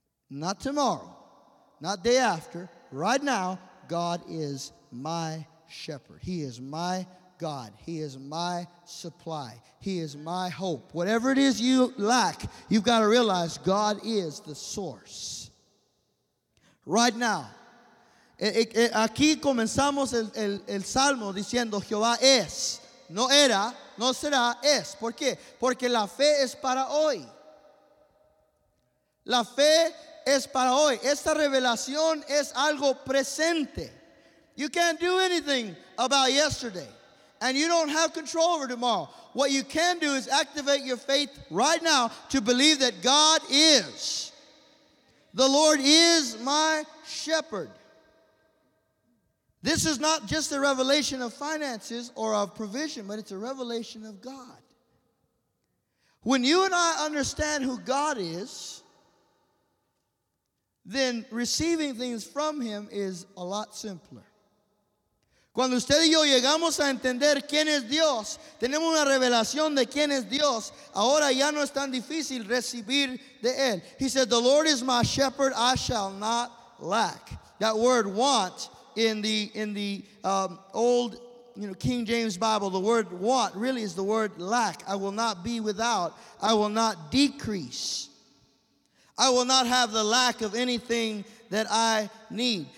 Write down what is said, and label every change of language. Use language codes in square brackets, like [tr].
[en] Not tomorrow, not day after, right now, God is my shepherd. He is my God. He is my supply. He is my hope. Whatever it is you lack, you've got to realize God is the source. Right now. [es] Aquí comenzamos el salmo diciendo Jehová es, no era, no será, es. ¿Por qué? Porque la fe es para hoy. La fe es para hoy. Esta revelación es algo presente. [en] You can't do anything about yesterday, and you don't have control over tomorrow. What you can do is activate your faith right now to believe that God is. The Lord is my shepherd. This is not just a revelation of finances or of provision, but it's a revelation of God. When you and I understand who God is, then receiving things from him is a lot simpler. [es] Cuando usted y yo llegamos a entender quién es Dios, tenemos una revelación de quién es Dios, ahora ya no es tan difícil recibir de él. [en] He said, the Lord is my shepherd, I shall not lack. That word want, In the old King James Bible, the word want really is the word lack. I will not be without. I will not decrease. I will not have the lack of anything that I need.